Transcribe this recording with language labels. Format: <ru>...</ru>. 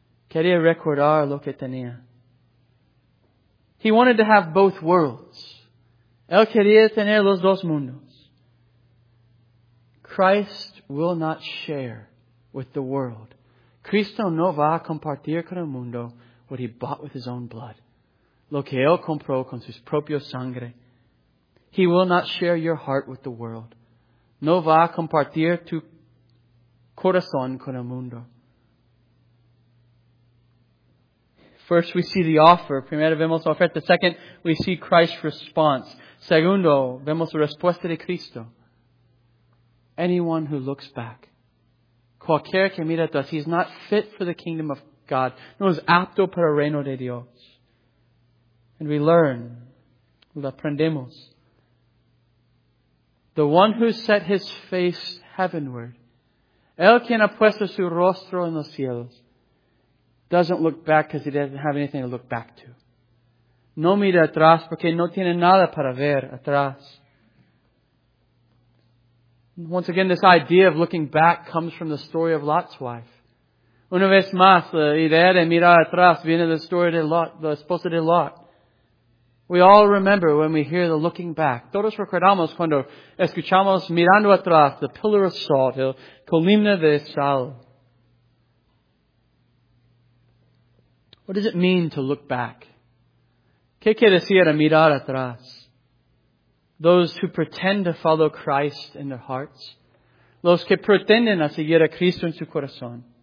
<es>Quería recordar lo que tenía.</es> <en>He wanted to have both worlds.</en> <es>Él quería tener los dos mundos.</es> <en>Christ will not share with the world.</en> <es>Cristo no va a compartir con el mundo</es> <en>what he bought with his own blood.</en> <es>Lo que él compró con sus propios sangre.</es> <en>He will not share your heart with the world.</en> <es>No va a compartir tu corazón con el mundo.</es> <en>First, we see the offer.</en> <es>Primero, vemos la oferta.</es> <en>Second, we see Christ's response.</en> <es>Segundo, vemos la respuesta de Cristo.</es> <en>Anyone who looks back.</en> <es>Cualquier que mira atrás.</es> <en>He is not fit for the kingdom of God.</en> <es>No es apto para el reino de Dios.</es> <en>And we learn.</en> <es>Lo aprendemos.</es> <en>The one who set his face heavenward,</en> <es>el quien ha puesto su rostro en los cielos,</es> <en>doesn't look back because he doesn't have anything to look back to.</en> <es>No mira atrás porque no tiene nada para ver atrás.</es> <en>Once again, this idea of looking back comes from the story of Lot's wife.</en> <es>Una vez más, la idea de mirar atrás viene de la story de Lot, la esposa de Lot.</es> <en>We all remember when we hear the looking back.</en> <es>Todos recordamos cuando escuchamos mirando atrás,</es> <en>the pillar of salt,</en> <es>el columna de sal.</es> <en>What does it mean to look back?</en> <es>¿Qué quiere decir a mirar atrás?</es> <en>Those who pretend to follow Christ in their hearts.</en> <es>Los que pretenden a seguir a Cristo en su corazón.</es>